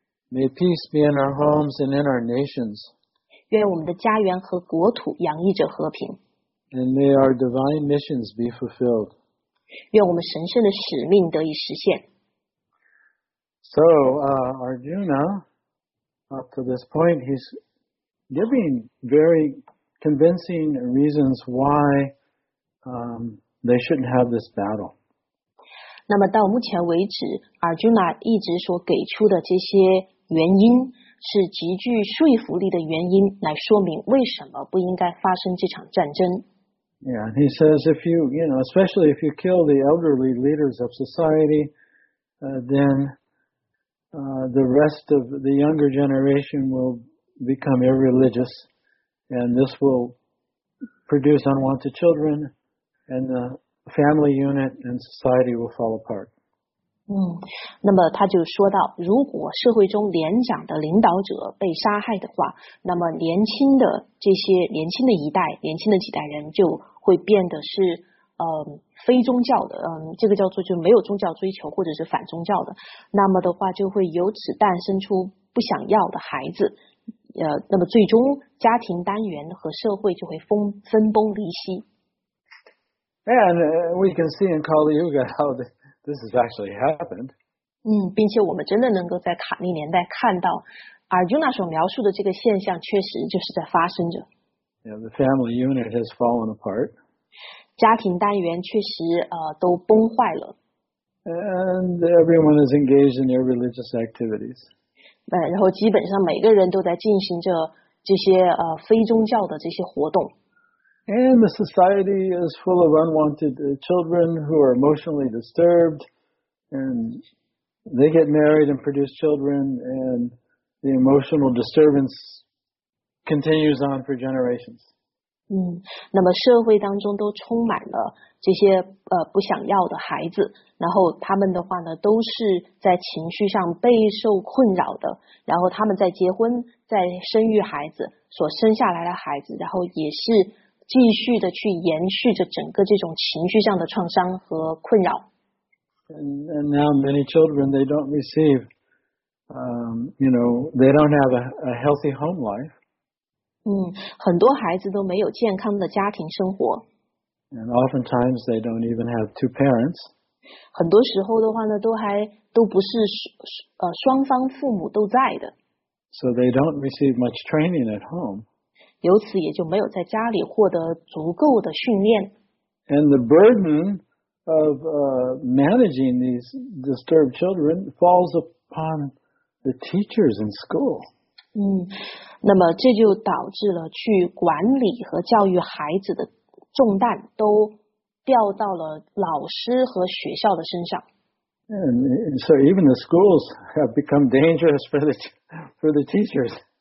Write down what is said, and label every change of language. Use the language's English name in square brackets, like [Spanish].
[English] May peace be in our homes and in our nations. [Chinese] 愿我们的家园和国土洋溢着和平。 [English] And may our divine missions be fulfilled. [Chinese] 愿我们神圣的使命得以实现。 [English] So, Arjuna, up to this point, he's giving very convincing reasons why they shouldn't have this battle. [Chinese] 那么到目前为止 ，Arjuna 一直所给出的这些原因是极具说服力的原因，来说明为什么不应该发生这场战争。 [English] Yeah, he says if you, you know, especially if you kill the elderly leaders of society, then the rest of the younger generation will become irreligious, and this will produce unwanted children, and the family unit and society will fall apart. [Chinese] 那么他就说到，如果社会中年长的领导者被杀害的话，那么年轻的这些年轻的一代，年轻的几代人就会变得是非宗教的，这个叫做就没有宗教追求或者是反宗教的，那么的话就会由此诞生出不想要的孩子，那么最终家庭单元和社会就会分崩离析。 [English] And we can see in Kali Yuga how this has actually happened. [Chinese] 并且我们真的能够在卡利年代看到 Arjuna 所描述的这个现象确实就是在发生着。 [English] Yeah, the family unit has fallen apart. [Chinese] 家庭单元确实都崩坏了。 [English] And everyone is engaged in their religious activities. [Chinese] 然后基本上每个人都在进行着这些非宗教的这些活动。 [English] And the society is full of unwanted children who are emotionally disturbed, and they get married and produce children, and the emotional disturbance continues on for generations. [Chinese] 那么社会当中都充满了这些不想要的孩子，然后他们的话呢，都是在情绪上备受困扰的，然后他们在结婚，在生育孩子，所生下来的孩子，然后也是继续的去延续着整个这种情绪上的创伤和困扰。 [English] And now many children, they don't receive, you know, they don't have a healthy home life. [Chinese] 很多孩子都没有健康的家庭生活。 [English] And oftentimes they don't even have two parents. [Chinese] 很多时候的话呢，都不是双方父母都在的。 [English] So they don't receive much training at home. [Chinese] 由此也就没有在家里获得足够的训练。 [English] And the burden of managing these disturbed children falls upon the teachers in school. [Chinese] 那么这就导致了去管理和教育孩子的重担都掉到了老师和学校的身上。 [English] And so even the schools have become dangerous for the teachers.